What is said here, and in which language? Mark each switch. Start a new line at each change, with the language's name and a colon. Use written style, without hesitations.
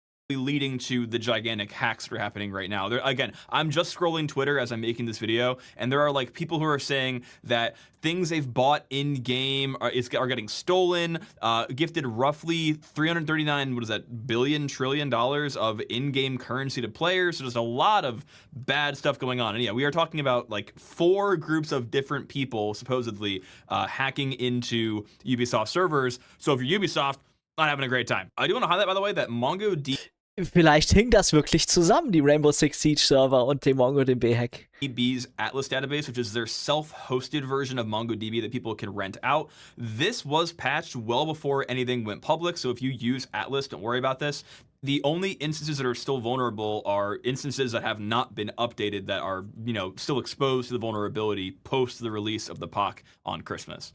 English: Leading to the gigantic hacks that are happening right now. I'm just scrolling Twitter as I'm making this video, and there are like people who are saying that things they've bought in game are getting stolen, gifted roughly 339, what is that, $1 trillion of in-game currency to players. So there's a lot of bad stuff going on. And yeah, we are talking about like four groups of different people supposedly hacking into Ubisoft servers. So if you're Ubisoft, not having a great time. I do want to highlight, by the way, that MongoDB.
German: Vielleicht hing das wirklich zusammen, die Rainbow Six Siege Server und dem MongoDB Hack.
English: MongoDB's Atlas database, which is their self-hosted version of MongoDB that people can rent out. This was patched well before anything went public. So if you use Atlas, don't worry about this. the only instances that are still vulnerable are instances that have not been updated that are, you know, still exposed to the vulnerability post the release of the POC on Christmas.